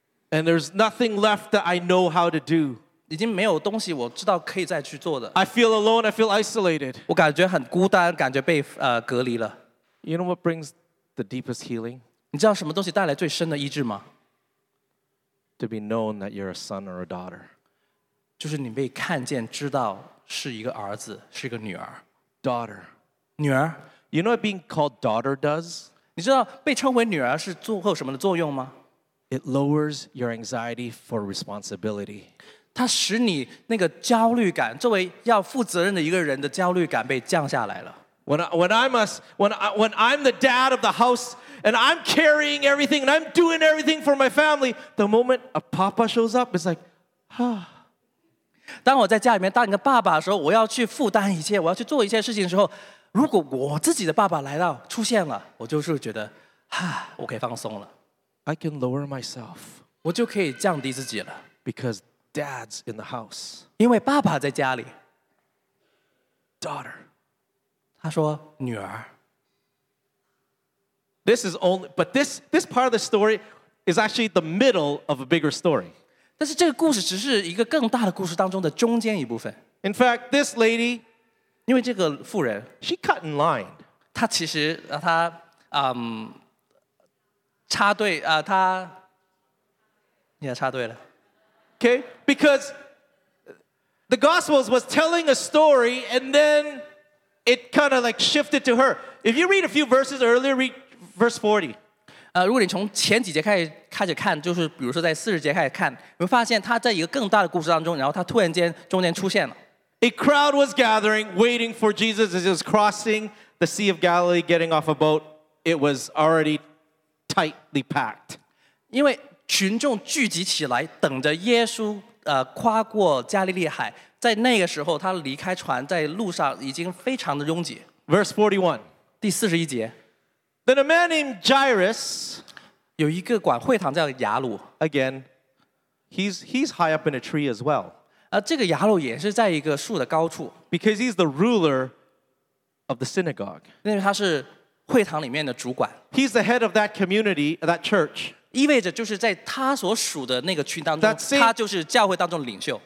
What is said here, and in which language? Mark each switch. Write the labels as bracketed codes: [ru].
[en] And there's nothing left that I know how to do. [zh] 已经没有东西我知道可以再去做的。 [en] I feel alone. I feel isolated. [zh] 我感觉很孤单，感觉被隔离了。 [en] You know what brings the deepest healing? [zh] 你知道什么东西带来最深的医治吗？ [en] To be known that you're a son or a daughter. [zh] 就是你被看见，知道是一个儿子，是一个女儿。 [en] Daughter. [zh] 女儿。 [en] You know what being called daughter does? [zh] 你知道被称为女儿是做后什么的作用吗？ [en] It lowers your anxiety for responsibility. [zh] 它使你那个焦虑感，作为要负责任的一个人的焦虑感被降下来了。 [en] When I'm the dad of the house and I'm carrying everything and I'm doing everything for my family, the moment a papa shows up, it's like, [zh] 当我在家里面当一个爸爸的时候，我要去负担一切，我要去做一切事情的时候，如果我自己的爸爸来到出现了，我就是觉得，我可以放松了。 [en] I can lower myself. [zh] 我就可以降低自己了。 [en] Because dad's in the house. [zh] 因为爸爸在家里。 [en] Daughter. [zh] 他说女儿。 [en] This is only, but this part of the story is actually the middle of a bigger story. [zh] 但是这个故事只是一个更大的故事当中的中间一部分。 [en] In fact, this lady, [zh] 因为这个妇人， [en] she cut in line. [zh] 她其实她插队他你也插队了 [en] okay because the gospels was telling a story and then it kind of like shifted to her if you read a few verses earlier read verse 40 [zh] 如果你从前几节开始看就是比如说在四十节开始看你会发现他在一个更大的故事当中然后他突然间中间出现了 [en] a crowd was gathering waiting for Jesus as he was crossing the Sea of Galilee getting off a boat it was alreadytightly packed. [zh] 因为群众聚集起来等着耶稣跨过加利利海在那个时候他离开船在路上已经非常的拥挤。 [en] Verse 41. [zh] 第41节。 [en] Then a man named Jairus, [zh] 有一个管会堂叫雅鲁。 [en] Again, he's high up in a tree as well. [zh] 这个雅鲁也是在一个树的高处。 [en] Because he's the ruler of the synagogue. [zh] 因为他是会堂里面的主管 [en] He's the head of that community, that church. [zh] 意味着就是在他所属的那个群当中 same, 他就是教会当中的领袖